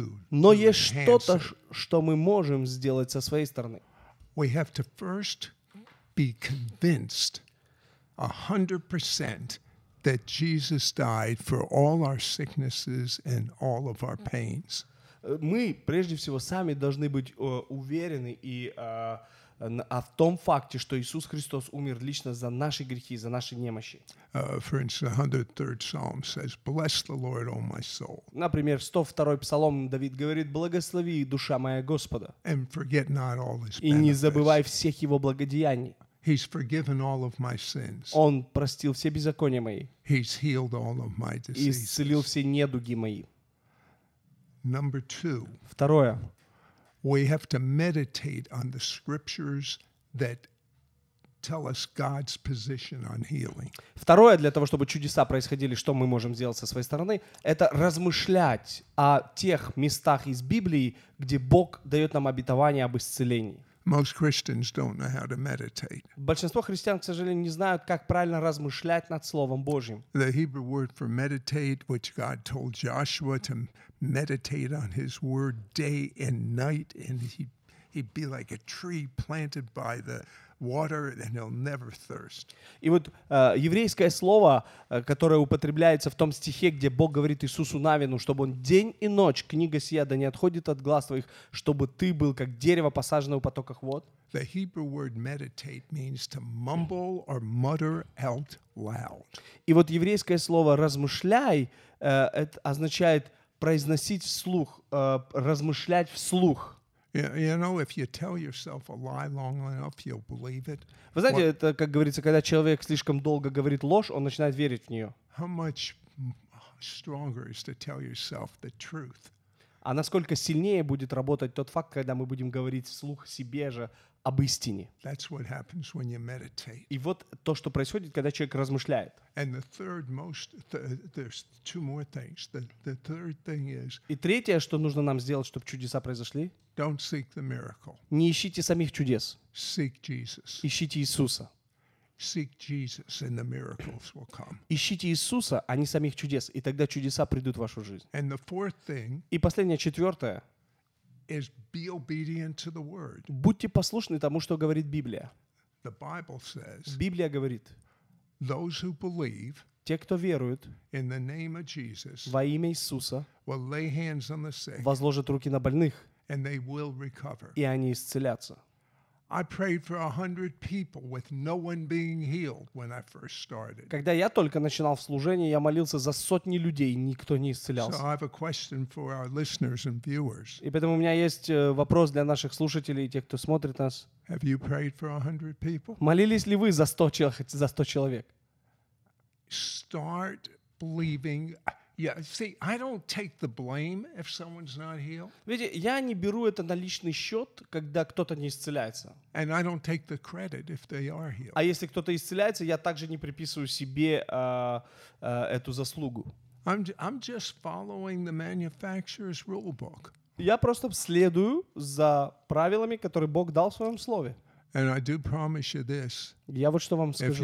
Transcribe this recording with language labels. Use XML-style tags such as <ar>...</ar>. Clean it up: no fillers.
<ru>Но есть что-то, что мы можем сделать со своей стороны.</ru> <en>We have to first be convinced 100% that Jesus died for all our sicknesses and all of our pains.</en> <ru>Мы, прежде всего, сами должны быть уверены и а в том факте, что Иисус Христос умер лично за наши грехи, за наши немощи.</ru> <en>For instance, 103rd Psalm says, "Bless the Lord, O my soul."</en> <ru>Например, 102-й псалом Давид говорит: "Благослови, душа моя, Господа."</ru> <en>And forget not all his benefits.</en> <ru>И не забывай всех его благодеяний.</ru> <en>He's forgiven all of my sins.</en> <ru>Он простил все беззакония мои.</ru> <en>He's healed all of my diseases.</en> <ru>И исцелил все недуги мои.</ru> <en>Number two.</en> <ru>Второе.</ru> <en>We have to meditate on the scriptures that tell us God's position on healing.</en> <ru>Второе, для того, чтобы чудеса происходили, что мы можем сделать со своей стороны, это размышлять о тех местах из Библии, где Бог дает нам обетование об исцелении.</ru> <en>Most Christians don't know how to meditate.</en> <ru>Большинство христиан, к сожалению, не знают, как правильно размышлять над Словом Божьим.</ru> <en>The Hebrew word for meditate, which God told Joshua to meditate on His word day and night, and he'd be like a tree planted by the water, and he'll never thirst.</en> <ru>И вот еврейское слово, которое употребляется в том стихе, где Бог говорит Иисусу Навину, чтобы он день и ночь, книга сия, да не отходит от глаз твоих, чтобы ты был как дерево, посаженное у потоков вод.</ru> <en>The Hebrew word meditate means to mumble or mutter out loud.</en> <ru>И вот еврейское слово размышляй, это означает произносить вслух, размышлять вслух.</ru> <en>You know, if you tell yourself a lie long enough, you'll believe it.</en> <ru>Вы знаете, это, как говорится, когда человек слишком долго говорит ложь, он начинает верить в нее.</ru> <en>How much stronger is to tell yourself the truth?</en> <ru>А насколько сильнее будет работать тот факт, когда мы будем говорить вслух себе же об истине?</ru> <en>That's what happens when you meditate.</en> <ru>И вот то, что происходит, когда человек размышляет.</ru> <en>And the third most, there's two more things. The third thing is.</en> <ru>И третье, что нужно нам сделать, чтобы чудеса произошли?</ru> <en>Don't seek the miracle.</en> <ru>Не ищите самих чудес.</ru> <en>Seek Jesus.</en> <ru>Ищите Иисуса.</ru> <en>Seek Jesus and the miracles will come.</en> <ru>Ищите Иисуса, а не самих чудес, и тогда чудеса придут в вашу жизнь.</ru> <en>And the fourth thing.</en> <ru>И последнее, четвертое.</ru> <en>Is be obedient to the word.</en> <ru>Будьте послушны тому, что говорит Библия.</ru> <en>The Bible says.</en> <ru>Библия говорит.</ru> <en>Those who believe.</en> <ru>Те, кто верует.</ru> <en>In the name of Jesus.</en> <ru>Во имя Иисуса.</ru> <en>Will lay hands on the sick.</en> <ru>Возложат руки на больных.</ru> <en>And they will recover.</en> <ru>И они исцелятся.</ru> <en>I prayed for 100 people with no one being healed when I first started.</en> <ru>Когда я только начинал в служении, я молился за сотни людей, никто не исцелялся.</ru> <en>So I have a question for our listeners and viewers.</en> <ru>И поэтому у меня есть вопрос для наших слушателей и тех, кто смотрит нас.</ru> <en>Have you prayed for 100 people?</en> <ru>Молились ли вы за 100 человек? За 100 человек?</ru> <en>Start believing. Yeah, see, I don't take the blame if someone's not healed.</en> <ru>Видите, я не беру это на личный счет, когда кто-то не исцеляется.</ru> <en>And I don't take the credit if they are healed.</en> <ru>А если кто-то исцеляется, я также не приписываю себе эту заслугу.</ru> <en>I'm just following the manufacturer's rule book.</en> <ru>Я просто следую за правилами, которые Бог дал в своем слове.</ru> <en>And I do promise you this.</en> <ru>Я вот что вам скажу.</ru>